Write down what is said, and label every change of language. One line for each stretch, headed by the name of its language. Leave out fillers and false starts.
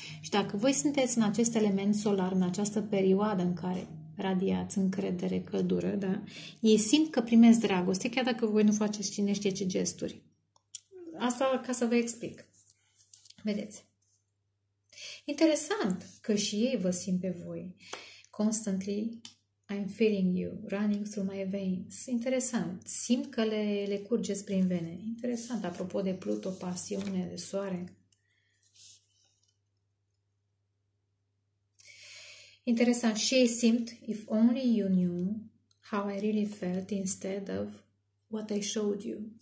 Romanian: Și dacă voi sunteți în acest element solar, în această perioadă în care radiați încredere, căldură, da? Ei simt că primesc dragoste, chiar dacă voi nu faceți cine știe ce gesturi. Asta ca să vă explic. Vedeți. Interesant că și ei vă simt pe voi.
English: Constantly, I'm feeling you, running through my veins.
Romanian: Interesant. Simt că le curgeți prin vene. Interesant. Apropo de Pluto, pasiune, de soare. Interesant, și ei simt,
English: if only you knew how I really felt instead of what I showed you.